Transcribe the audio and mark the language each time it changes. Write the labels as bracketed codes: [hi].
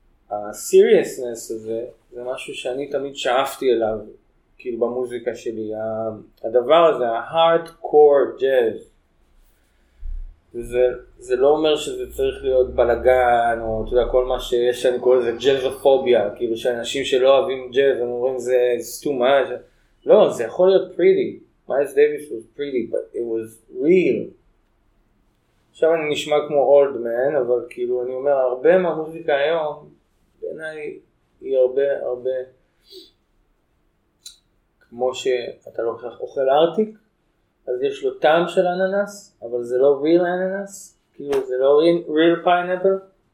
[he] והסיריוסנס הזה זה משהו שאני תמיד שאפתי אליו, כאילו במוזיקה שלי, הדבר הזה, ההארדקור ג'אז, זה לא אומר שזה צריך להיות בלגן, או אתה יודע, כל מה שיש, אני קורא לזה ג'אזופוביה, כאילו שאנשים שלא אוהבים ג'אז, הם אומרים זה [en] too much. [he] לא, זה יכול להיות pretty. [en] Miles Davis was pretty, but it was real. [he] עכשיו אני נשמע כמו [en] old man, [he] אבל כאילו אני אומר, הרבה מהמוזיקה היום, בעיניי היא הרבה הרבה, כמו שאתה לא כל כך אוכל ארטיק, אז יש לו טעם של אננס, אבל זה לא real אננס, כאילו זה לא [en] real pineapple.